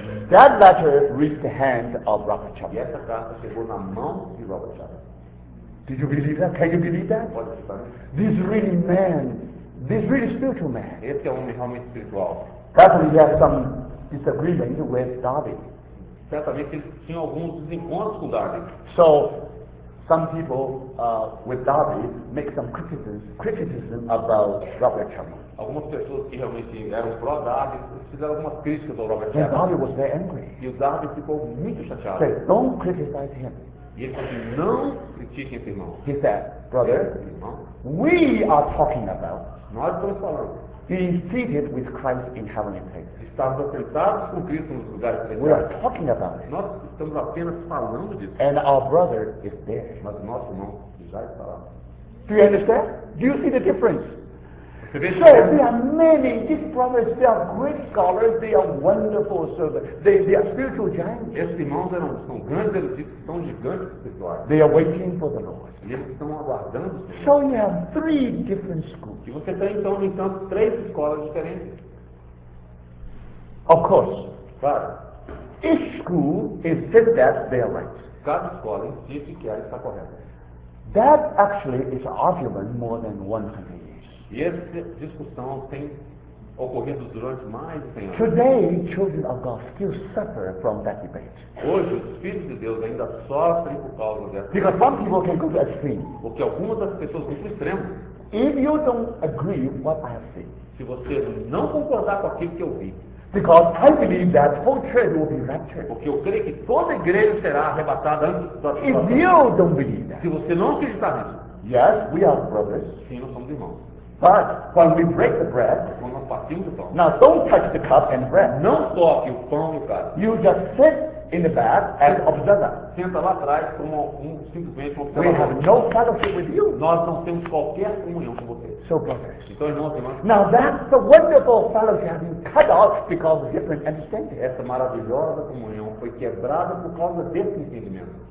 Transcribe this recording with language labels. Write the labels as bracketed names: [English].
[English] That letter reached the hand of Robert Chapman. [Portuguese] E essa carta chegou na mão de Robert Chapman. [English] Did you believe that? Can you believe that? [Portuguese] Pode acreditar. [English] This really man, this really spiritual man. [Portuguese] Esse é um homem espiritual. [English] Certainly he had some disagreement with Darby. [Portuguese] Certamente ele tinha alguns desencontros com Darby. [English] So, some people with Darby make some criticism about Robert Chapman. [Portuguese] Algumas pessoas que realmente eram pró-Darby fizeram algumas críticas ao Robert Chapman. [English] And Darby was very angry. [Portuguese] E o Darby ficou muito chateado. [English] Said, don't criticize him. [Portuguese] E ele disse, não critique esse irmão. [English] He said, brother, we are talking about. [Portuguese] Nós estamos falando. [English] Being seated with Christ in heavenly place. [Portuguese] Estamos assentados com Cristo nos lugares celestiais. [English] We are talking about it. [Portuguese] Nós estamos apenas falando disso. [English] And our brother is there. [Portuguese] Mas nosso irmão já está lá. [English] Do you understand? Do you see the difference? So there are many, these brothers, they are great scholars, they are wonderful servants, they are spiritual giants. [Portuguese] Esses irmãos eram, são grandes eruditos, são gigantes espirituais. [English] They are waiting for the Lord. [Portuguese] E eles estão aguardando o Senhor. [English] So you have three different schools. [Portuguese] E você tem então, no entanto, três escolas diferentes. [English] Of course. [Portuguese] Claro. [English] Each school insists that they are right. [Portuguese] Cada escola insiste que ela está correta. [English] That actually is an argument more than 100 years. [Portuguese] E essa discussão tem ocorrido durante mais de 100 anos. [English] Today, children of God still suffer from that debate. [Portuguese] Hoje, os filhos de Deus ainda sofrem por causa dessa. [English] Because some people can go to extreme. [Portuguese] Porque algumas das pessoas vão para o extremo. [English] If you don't agree with what I have seen, [Portuguese] se você não concordar com aquilo que eu vi. [English] Because I believe that whole church will be raptured. [Portuguese] Porque eu creio que toda a igreja será arrebatada antes da [English] If you don't believe that. [Portuguese] Se você não acreditar nisso. [English] Yes, we are brothers. [Portuguese] Sim, nós somos irmãos. [English] But when we break the bread, now don't touch the cup and bread. [Portuguese] Não toque o pão e o cálice. [English] You just sit in the back and observe. [Portuguese] Senta lá atrás como simplesmente um observador. [English] We have no fellowship with you. [Portuguese] Nós não temos qualquer comunhão com você. [English] So brothers. [Portuguese] Então irmãos e irmãs. [English] Now that's the wonderful fellowship being cut off because of different understanding. [Portuguese] Essa maravilhosa comunhão foi quebrada por causa desse entendimento.